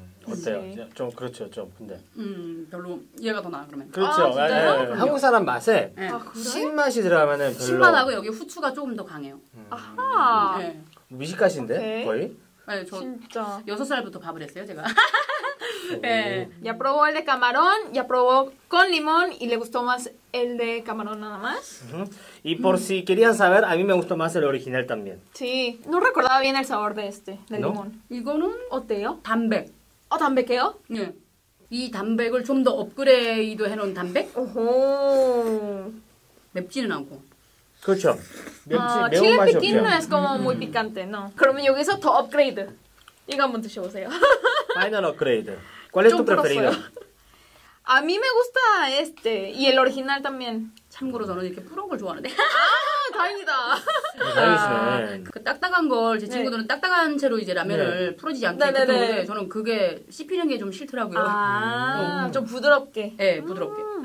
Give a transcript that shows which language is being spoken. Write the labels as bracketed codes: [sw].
[ko] 어때요? 좀 그렇죠, 좀 근데. 별로 얘가 더 나아 그러면. 그렇죠, 아, 진짜요? 네, 네. 한국 사람 맛에 네. 아, 그래? 신맛이 들어가면은 별로. 신맛하고 여기 후추가 조금 더 강해요. 아하. 네. 미식가신데 오케이. 거의. 네, 저 진짜. 여섯 살부터 밥을 했어요, 제가. 네. [es] Ya probó el de camarón, ya probó con limón y le gustó más el de camarón nada más. Y por si querían saber, a mí me gustó más el original también. Sí, no recordaba bien el sabor de este, del limón. [ko] 이거는 어때요? 담백. 어, 담백해요? 네. 이 담백을 좀 더 업그레이드 해놓은 담백? 오호. 맵지는 않고. 그렇죠. 맵지, 매운 맛이 없죠. [es] Chile piquín no es como muy picante, no. [ko] 그러면 여기서 더 업그레이드. 이거 한번 드셔보세요. [en] Final upgrade. [es] ¿Cuál es tu preferido? A mí me gusta este y el original también. [ko] 참고로 저는 이렇게 푸른 걸 좋아하는데. 아, 다행이다. 다행이네. 그 딱딱한 걸 제 친구들은 네. 딱딱한 채로 이제 라면을 네. 풀어지지 않게 했는데 저는 그게 씹히는 게 좀 싫더라고요. 아, 좀 부드럽게. 네, 부드럽게.